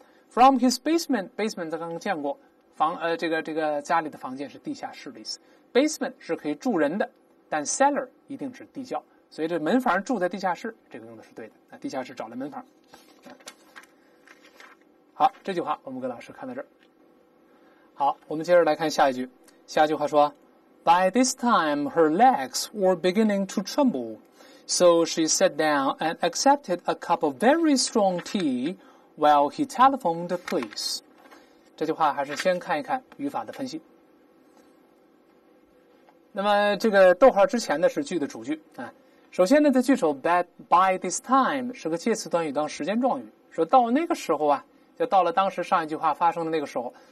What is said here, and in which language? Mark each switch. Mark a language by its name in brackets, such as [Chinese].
[English] From his basement [Chinese] 刚刚见过房，这个家里的房间是地下室的意思。 basement 是可以住人的，但 cellar 一定是地窖，所以这门房住在地下室，这个用的是对的，那地下室找了门房。好，这句话我们跟老师看到这儿。好，我们接着来看下一句。下一句话说 [English] By this time her legs were beginning to tremble, so she sat down and accepted a cup of very strong tea while he telephoned the police。 [Chinese] 这句话还是先看一看语法的分析。那么这个逗号之前的是句的主句啊。首先呢，这句首 [English] by this time [Chinese] 是个介词短语当时间状语，说到那个时候啊，就到了当时上一句话发生的那个时候。